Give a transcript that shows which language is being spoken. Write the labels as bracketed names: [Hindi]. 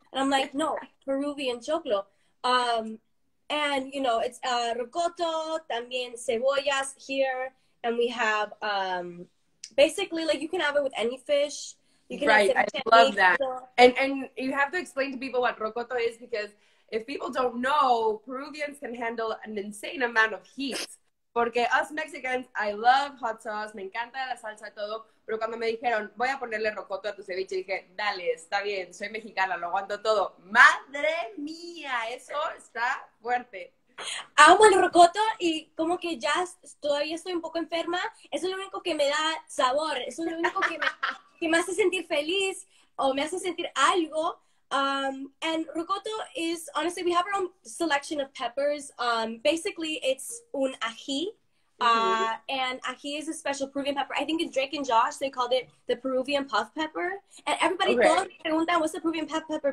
[English] And I'm like, no, Peruvian choclo. And, you know, it's rocoto, [Spanish] también cebollas [English] here. And we have, basically, like, you can have it with any fish. You can right, have I love that. And you have to explain to people what rocoto is, because if people don't know, Peruvians can handle an insane amount of heat. [Spanish] Porque [English] us Mexicans, I love hot sauce, [Spanish] me encanta la salsa y todo, pero cuando me dijeron, voy a ponerle rocoto a tu ceviche, dije, dale, está bien, soy mexicana, lo aguanto todo. ¡Madre mía! Eso está fuerte. Amo el rocoto y como que ya todavía estoy un poco enferma, eso es lo único que me da sabor, eso es lo único que me hace sentir feliz o me hace sentir algo. [English] And rocoto is, honestly, we have our own selection of peppers. Basically, it's un ají, and ají is a special Peruvian pepper. I think in Drake and Josh, they called it the Peruvian puff pepper. And everybody pregunta, what's the Peruvian puff pepper?